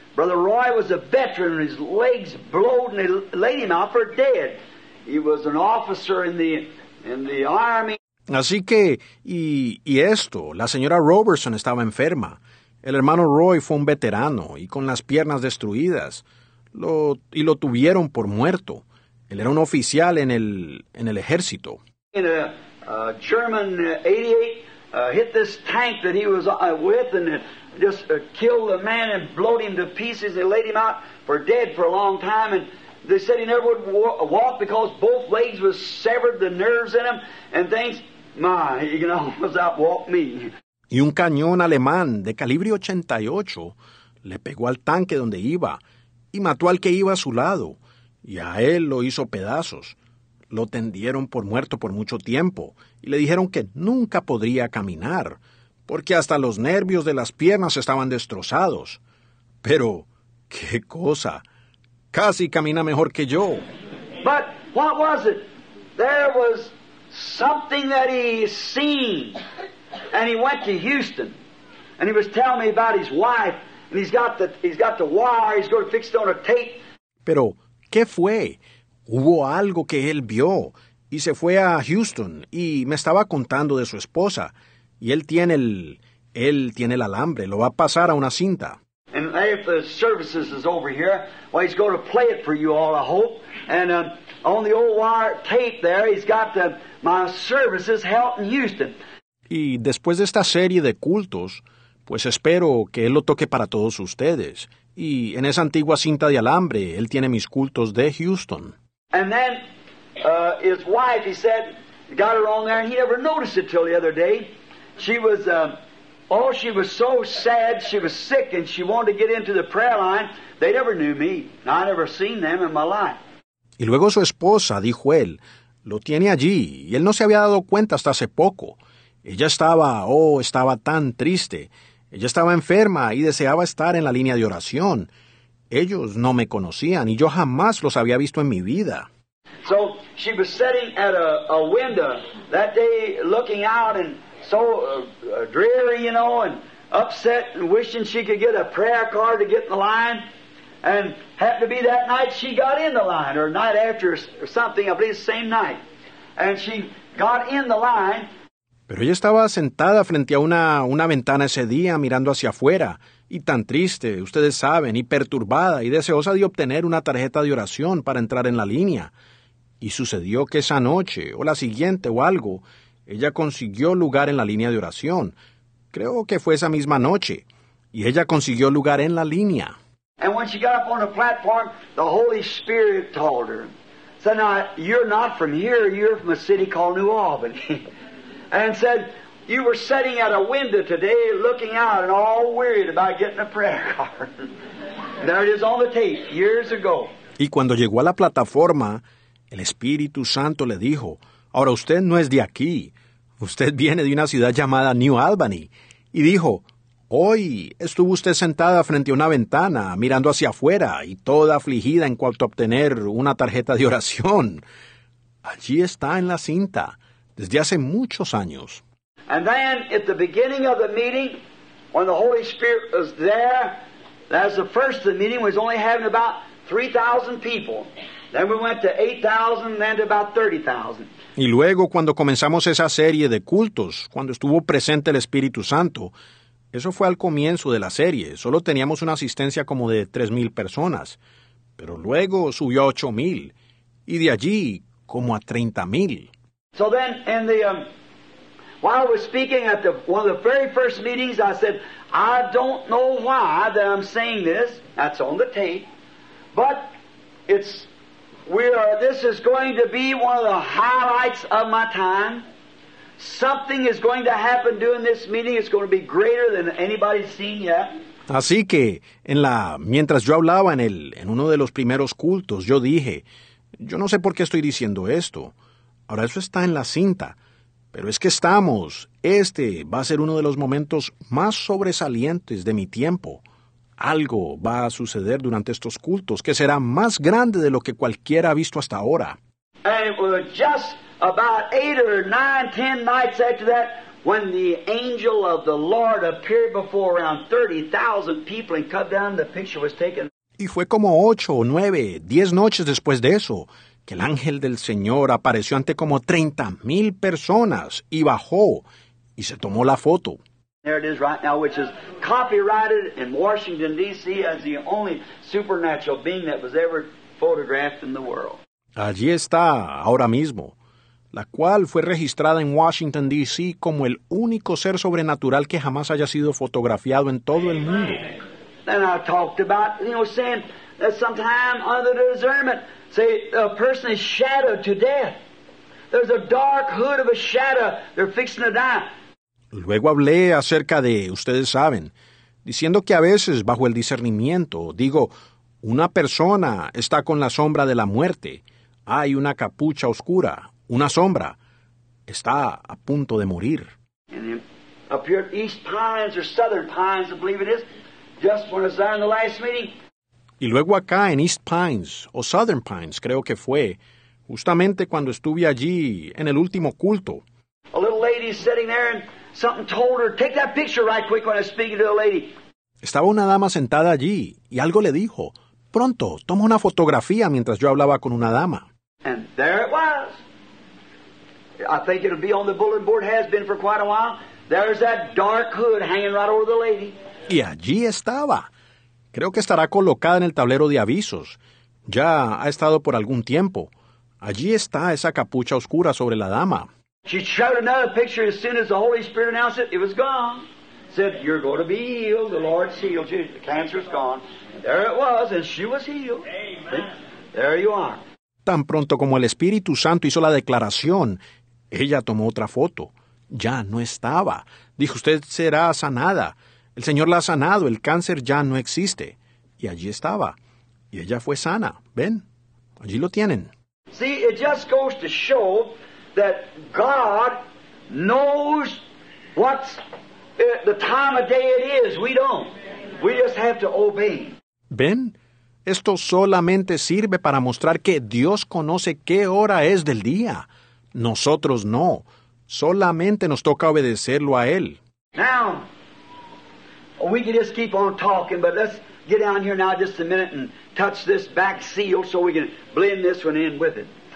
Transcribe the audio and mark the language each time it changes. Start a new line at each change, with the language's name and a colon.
English: Brother Roy was a veteran, his legs blowed and they laid him out for dead. He was an officer in the army.
Spanish: Así que, y esto, la señora Roberson estaba enferma. El hermano Roy fue un veterano y con las piernas destruidas. Lo tuvieron por muerto. Él era un oficial en el ejército.
English: In a German 88 hit this tank that he was with and just killed the man and blowed him to pieces. They laid him out for dead for a long time and they said he never would walk because both legs was severed, the nerves in him and things. My, you know, was out walk me.
Spanish: Y un cañón alemán de calibre 88 le pegó al tanque donde iba y mató al que iba a su lado y a él lo hizo pedazos. Lo tendieron por muerto por mucho tiempo y le dijeron que nunca podría caminar porque hasta los nervios de las piernas estaban destrozados. Pero, ¿qué cosa? Casi camina mejor que yo.
English: But what was it? There was something that he seen. And he went to Houston, and he was telling me about his wife, and he's got the wire, he's going to fix it on a tape.
Spanish: Pero, ¿qué fue? Hubo algo que él vio, y se fue a Houston, y me estaba contando de su esposa, y él tiene el alambre, lo va a pasar a una cinta.
English: And if the services is over here, well, he's going to play it for you all, I hope. And on the old wire tape there, he's got the, my services, Helton, Houston.
Spanish: Y después de esta serie de cultos, pues espero que él lo toque para todos ustedes. Y en esa antigua cinta de alambre, él tiene mis cultos de Houston.
English: And then, his wife, he said, got her on there, and he never noticed it till the other day. She was, she was so sad, she was sick, and she wanted to get into the prayer line. They never knew me. I never seen them in my life.
Spanish: Y luego su esposa, dijo él, lo tiene allí, y él no se había dado cuenta hasta hace poco. Ella estaba tan triste. Ella estaba enferma y deseaba estar en la línea de oración. Ellos no me conocían y yo jamás los había visto en mi vida.
English: So she was sitting at a window that day looking out and so dreary, you know, and upset and wishing she could get a prayer card to get in the line. And happened to be that night she got in the line or night after or something, I believe the same night. And she got in the line.
Spanish: Pero ella estaba sentada frente a una ventana ese día mirando hacia afuera y tan triste, ustedes saben, y perturbada y deseosa de obtener una tarjeta de oración para entrar en la línea. Y sucedió que esa noche o la siguiente o algo, ella consiguió lugar en la línea de oración. Creo que fue esa misma noche y ella consiguió lugar en la línea.
English: And when she got up on the platform, the Holy Spirit told her, "So now you're not from here, you're from a city called New Albany." And said, "You were sitting at a window today looking out and all worried about getting a prayer card." There it is on the tape, years ago.
Spanish: Y cuando llegó a la plataforma, el Espíritu Santo le dijo, Ahora, usted no es de aquí. Usted viene de una ciudad llamada New Albany. Y dijo, hoy estuvo usted sentada frente a una ventana, mirando hacia afuera y toda afligida en cuanto a obtener una tarjeta de oración. Allí está en la cinta, desde hace muchos años.
English: And then, at the beginning of the meeting, when the Holy Spirit was there, that's the first of the meeting, was only having about 3,000 people. Then we went to 8,000, then to about 30,000.
Spanish: Y luego, cuando comenzamos esa serie de cultos, cuando estuvo presente el Espíritu Santo, eso fue al comienzo de la serie. Solo teníamos una asistencia como de 3,000 personas. Pero luego subió a 8,000. Y de allí, como a 30,000.
English: So then, in the, while I was speaking at the, one of the very first meetings, I said, I don't know why that I'm saying this. That's on the tape. But it's... this is going to be one of the highlights of my time. Something is going to happen during this meeting. It's going to be greater than anybody's seen yet.
Spanish: Así que, mientras yo hablaba en uno de los primeros cultos, yo dije, yo no sé por qué estoy diciendo esto. Ahora, eso está en la cinta. Pero es que estamos. Este va a ser uno de los momentos más sobresalientes de mi tiempo. Algo va a suceder durante estos cultos que será más grande de lo que cualquiera ha visto hasta ahora.
English: And it was just about 8 or 9, 10 nights after that when the angel of the Lord appeared before around 30,000 people and cut down, the picture was taken.
Spanish: Y fue como 8, 9, 10 noches después de eso que el ángel del Señor apareció ante como 30,000 personas y bajó y se tomó la foto.
English: There it is right now, which is copyrighted in Washington, D.C. as the only supernatural being that was ever photographed in the world.
Spanish: Allí está, ahora mismo, la cual fue registrada en Washington, D.C. como el único ser sobrenatural que jamás haya sido fotografiado en todo el mundo.
English: And I talked about, you know, saying that sometime under the discernment, say, a person is shadowed to death. There's a dark hood of a shadow. They're fixing to die.
Spanish: Luego hablé acerca de, ustedes saben, diciendo que a veces, bajo el discernimiento, digo, una persona está con la sombra de la muerte. Hay una capucha oscura, una sombra. Está a punto de morir.
English: And then, up here at East Pines, or Southern Pines, I believe it is, just when I was there in the last meeting.
Spanish: Y luego acá en East Pines, o Southern Pines, creo que fue, justamente cuando estuve allí en el último culto.
English: A little lady sitting there and... something told her, take that picture right quick when I'm speaking to the lady.
Spanish: Estaba una dama sentada allí, y algo le dijo, pronto, toma una fotografía mientras yo hablaba con una dama.
English: And there it was. I think it'll be on the bulletin board, has been for quite a while. There's that dark hood hanging right over the lady.
Spanish: Y allí estaba. Creo que estará colocada en el tablero de avisos. Ya ha estado por algún tiempo. Allí está esa capucha oscura sobre la dama.
English: She showed another picture as soon as the Holy Spirit announced it. It was gone. Said, you're going to be healed. The Lord healed you. The cancer is gone. And there it was, and she was healed. Amen. There you are.
Spanish: Tan pronto como el Espíritu Santo hizo la declaración, ella tomó otra foto. Ya no estaba. Dijo, usted será sanada. El Señor la ha sanado. El cáncer ya no existe. Y allí estaba. Y ella fue sana. Ven, allí lo tienen.
English: See, it just goes to show... that God knows what's the time of day it is. We don't. We just have to obey.
Spanish: Ben, esto solamente sirve para mostrar que Dios conoce qué hora es del día. Nosotros no. Solamente nos toca obedecerlo a Él.
English: Now, we can just keep on talking, but let's get down here now just a minute and touch this back seal so we can blend this one in with it.